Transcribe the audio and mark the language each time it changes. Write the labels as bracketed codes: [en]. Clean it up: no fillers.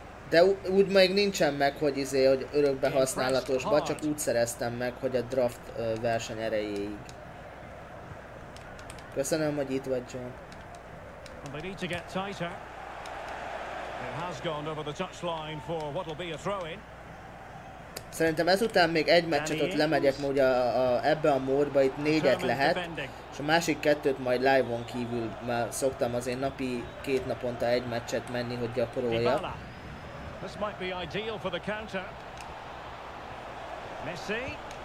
[hu] De úgy még nincsen meg, hogy hogy örökbe használatosba, csak úgy szereztem meg, hogy a draft verseny erejéig. Köszönöm, hogy itt vagy, John. [en] And they need to get tighter. It has gone over the touchline for what'll be a throw-in. [hu] Szerintem ezután még egy meccset ott lemegyek, mert ugye ebbe a módba itt négyet lehet, és a másik kettőt majd live-on kívül, mert szoktam azért napi két naponta egy meccset menni, hogy gyakorolja. [en] This might be ideal for the counter. Messi.